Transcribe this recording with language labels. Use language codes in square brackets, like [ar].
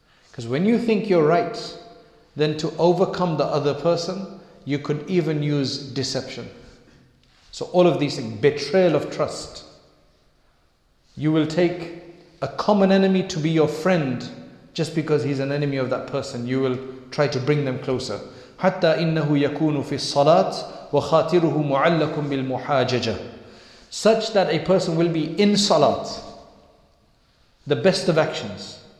[en] Because when you think you're right, then to overcome the other person, you could even use deception. So all of these things, betrayal of trust. You will take a common enemy to be your friend just because he's an enemy of that person. You will try to bring them closer. [ar] حتى إنه يكون في الصلاة وخاطره معلق بالمحاججة. [en] Such that a person will be in salat. The best of actions.